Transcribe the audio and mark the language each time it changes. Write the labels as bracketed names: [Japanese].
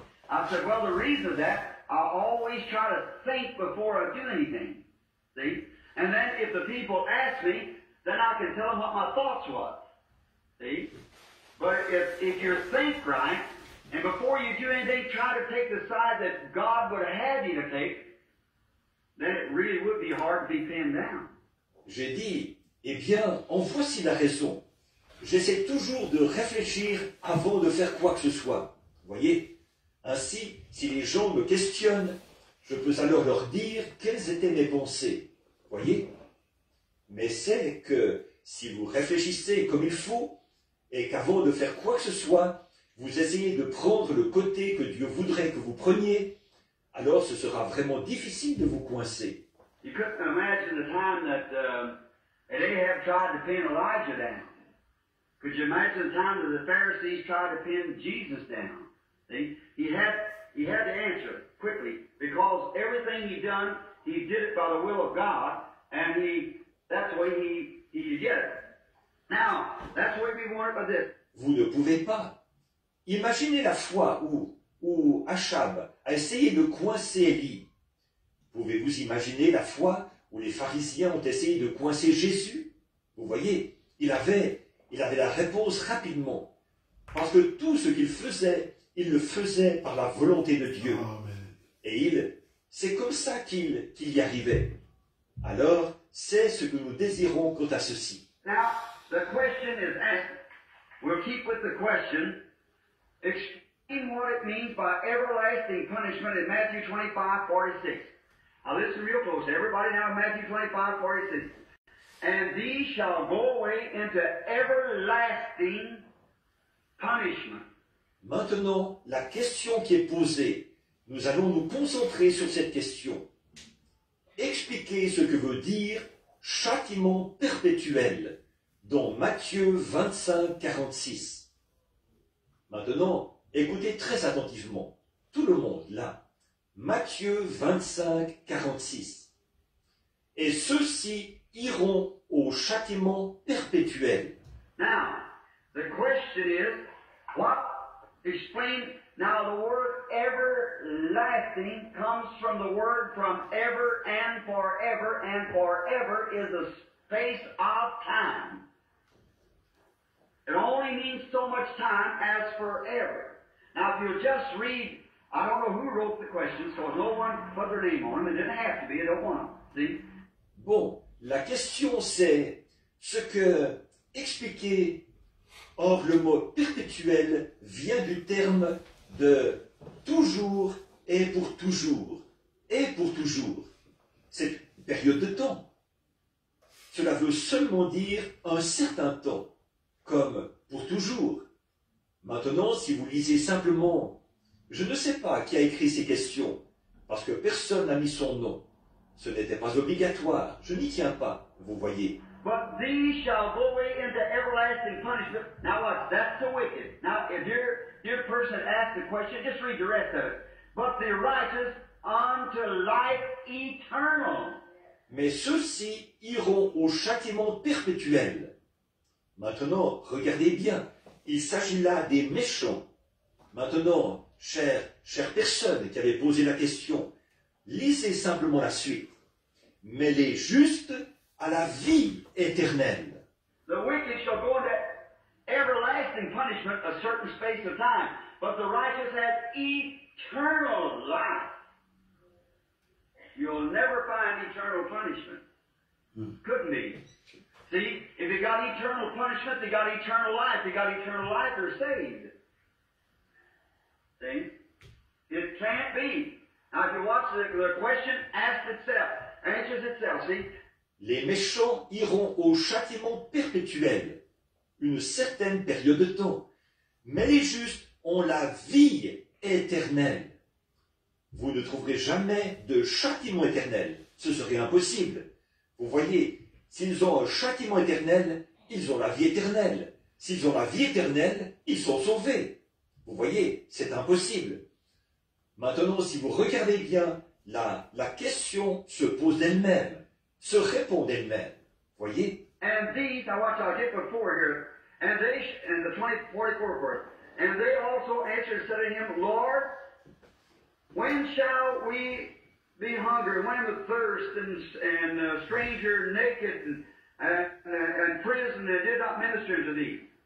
[English] I said, well, the reason of that, I always try to think before I do anything. See? And then if the people ask me, then I can tell them what my thoughts was. See? But if you think right, and before you do anything, try to take the side that God would have you to take, then it really would be hard to be pinned down. [French] J'ai dit, eh bien, en voici la raison. J'essaie toujours de réfléchir avant de faire quoi que ce soit. Voyez? Ainsi, si les gens me questionnent, je peux alors leur dire quelles étaient mes pensées. Voyez? Mais c'est que si vous réfléchissez comme il faut, et qu'avant de faire quoi que ce soit, vous essayez de prendre le côté que Dieu voudrait que vous preniez, alors ce sera vraiment difficile de vous coincer. [English] You couldn't imagine the time that Ahab tried to pin Elijah down. Could you imagine the time that the Pharisees tried to pin Jesus down? See? He had to answer quickly, because everything he'd done, he did it by the will of God, and that's the way he did it. Now, that's what we want about this. [French] Vous ne pouvez pas. Imaginez la foi où Achab a essayé de coincer Élie. Pouvez-vous imaginer la foi où les pharisiens ont essayé de coincer Jésus? Vous voyez, il avait la réponse rapidement. Parce que tout ce qu'il faisait, il le faisait par la volonté de Dieu. Amen. Et c'est comme ça qu'il y arrivait. Alors, c'est ce que nous désirons quant à ceci. [English] Now, the question is asked. We'll keep with the question. Explain what it means by everlasting punishment in Matthew 25:46. Now listen real close. Everybody now in Matthew 25:46. And these shall go away into everlasting punishment. [French] Maintenant, la question qui est posée, nous allons nous concentrer sur cette question. Expliquez ce que veut dire châtiment perpétuel dans Matthieu 25:46. Maintenant, écoutez très attentivement, tout le monde là, Matthieu 25:46. Et ceux-ci iront au châtiment perpétuel. [English] Now, the question is, what? Explain. Now, the word everlasting comes from the word from ever and forever, and forever is a space of time. It only means so much time as forever. Now, if you'll just read, I don't know who wrote the questions, because no one put their name on them. It didn't have to be. I don't want them. See? [French] Bon, la question c'est ce que expliquer. Or, le mot perpétuel vient du terme de toujours et pour toujours. Et pour toujours. C'est une période de temps. Cela veut seulement dire un certain temps. Comme pour toujours. Maintenant, si vous lisez simplement, je ne sais pas qui a écrit ces questions, parce que personne n'a mis son nom. Ce n'était pas obligatoire. Je n'y tiens pas, vous voyez. [English] But these shall go away into everlasting punishment. Now what? That's the wicked. Now if your person asks the question, just read the rest of it. But the righteous unto life eternal. [French] Mais ceux-ci iront au châtiment perpétuel. Maintenant, regardez bien. Il s'agit là des méchants. Maintenant, chère personne qui avait posé la question, lisez simplement la suite. Mais les justes à la vie éternelle. [English] The wicked shall go into everlasting punishment a certain space of time, but the righteous have eternal life. You'll never find eternal punishment. Couldn't be. See, if they got eternal punishment, they got eternal life. They got eternal life, they're saved. See? It can't be. Now, if you watch the question, ask itself, answers itself, see? [French] Les méchants iront au châtiment perpétuel, une certaine période de temps. Mais les justes ont la vie éternelle. Vous ne trouverez jamais de châtiment éternel. Ce serait impossible. Vous voyez, s'ils ont un châtiment éternel, ils ont la vie éternelle. S'ils ont la vie éternelle, ils sont sauvés. Vous voyez, c'est impossible. Maintenant, si vous regardez bien, la question se pose d'elle-même. Se répond d'elle-même. Voyez. [English] And these, I watch, I'll get before here. And they, and the 24th verse. And they also answered, said to him, Lord, when shall we be hungry? When with thirst and stranger, naked and prison, and did not minister to thee?